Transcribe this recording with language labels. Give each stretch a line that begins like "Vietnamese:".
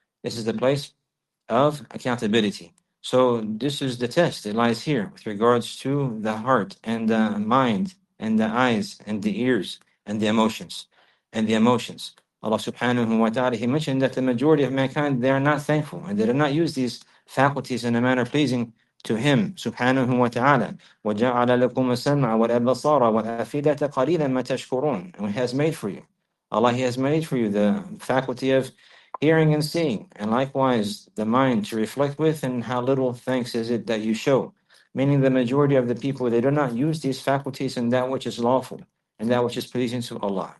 English: This is the place of accountability. So this is the test. It lies here with regards to the heart and the mind and the eyes and the ears and the emotions. And the emotions. Allah subhanahu wa ta'ala, He mentioned that the majority of mankind, they are not thankful and they do not use these faculties in a manner pleasing to him subhanahu wa ta'ala,
Arabic: وَجَعَلَ لَكُمَ السَّمْعَ وَالْأَبْصَارَ وَالْأَفِيدَةَ قَلِيلًا مَا تَشْكُرُونَ.
English: And he has made for you, Allah, he has made for you the faculty of hearing and seeing, and likewise the mind to reflect with, and how little thanks is it that you show. Meaning the majority of the people, they do not use these faculties in that which is lawful and that which is pleasing to Allah.